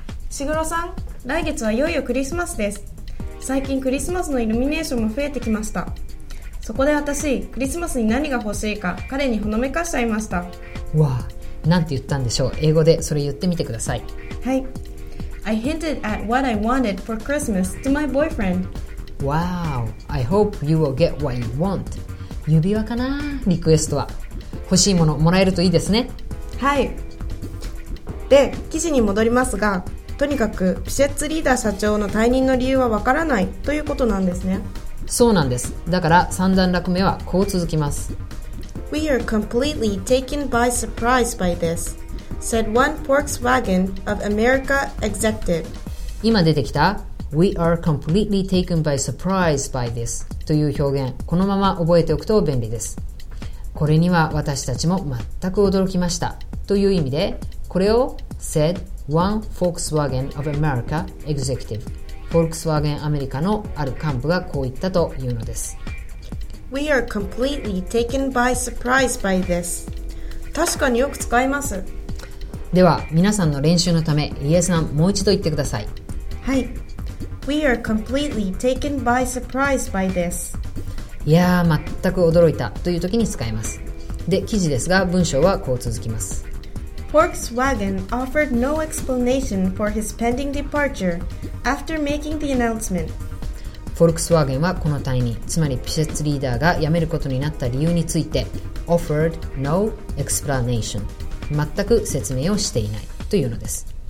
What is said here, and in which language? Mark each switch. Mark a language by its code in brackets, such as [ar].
[ja] 石黒さん、来月はいよいよクリスマスです。最近クリスマスのイルミネーションも増えてきました。そこで私、クリスマスに何が欲しいか彼にほのめかしちゃいました。わあ、なんて言ったんでしょう。英語でそれ言ってみてください。はい。 [en] I hinted at what I wanted for Christmas to my boyfriend. Wow, I hope you will get what you want. [ja] 指輪かな、リクエストは。欲しいものもらえるといいですね。はい。で、記事に戻りますが、とにかくピシェッツリーダー社長の退任の理由はわからないということなんですね。そうなんです。だから三段落目はこう続きます。 [en] We are completely taken by surprise by this said one Volkswagen of America executive。 [ja] 今出てきた [en] We are completely taken by surprise by this [ja] という表現、このまま覚えておくと便利です。これには私たちも全く驚きましたという意味で、これを [en] said one Volkswagen of America executive、 [ja] フォルクスワーゲンアメリカのある幹部がこう言ったというのです。 [en] We are completely taken by surprise by this。 [ja] 確かによく使います。では皆さんの練習のため、イエスさんもう一度言ってください。はい。 [en] We are completely taken by surprise by this. [ja] いやー、全く驚いたという時に使えます。で、記事ですが、文章はこう続きます。 [en] Volkswagen offered no explanation for his pending departure after making the announcement. [ja] Volkswagen はこの退任、つまりピシェッツリーダーが辞めることになった理由について [en] offered no explanation、 [ja] 全く説明をしていないというのです。